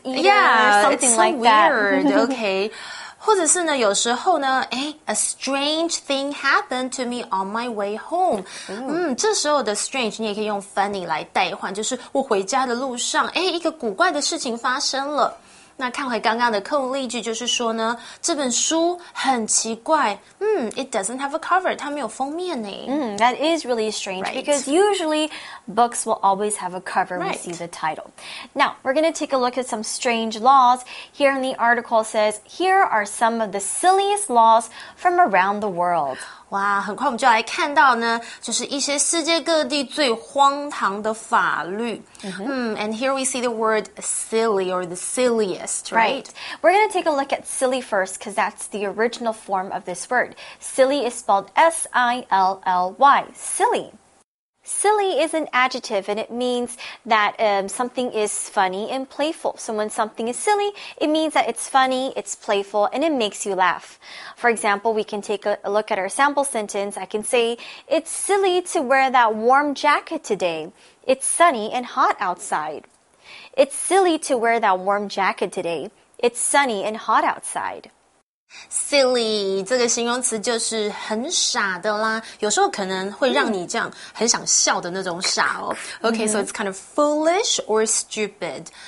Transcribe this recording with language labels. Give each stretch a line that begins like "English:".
English: Yeah, something like that. Weird, okay. 或者是呢有时候呢、欸、a strange thing happened to me on my way home.、 Mm.
Chinese: 嗯、这时候的 strange 你也可以用 funny 来代换，就是我回家的路上、欸、一个古怪的事情发生了。那看回刚刚的课文例句，就是说呢，这本书很奇怪。
English: 嗯 ，It doesn't have a cover. 它没有封面呢。嗯 ，That is really strange. Right. Because usually books will always have a cover when you see the title. Now we're going to take a look at some strange laws. Here in the article says, here are some of the silliest laws from around the world.
Chinese: 哇，很快我们就来看到呢，就是一些世界各地最荒唐的法律。 Mm-hmm.
English: And here we see the word silly or the silliest, right? Right. We're going to take a look at silly first because that's the original form of this word. Silly is spelled S-I-L-L-Y, silly. Silly is an adjective, and it means that something is funny and playful. So when something is silly, it means that it's funny, it's playful, and it makes you laugh. For example, we can take a look at our sample sentence. I can say, it's silly to wear that warm jacket today. It's sunny and hot outside. It's silly to wear that warm jacket today. It's sunny and hot outside.
Chinese: Silly 这个形容词就是很傻的啦，有时候可能会让你这样很想笑的那种傻哦。
English: Okay, so it's kind of foolish or stupid.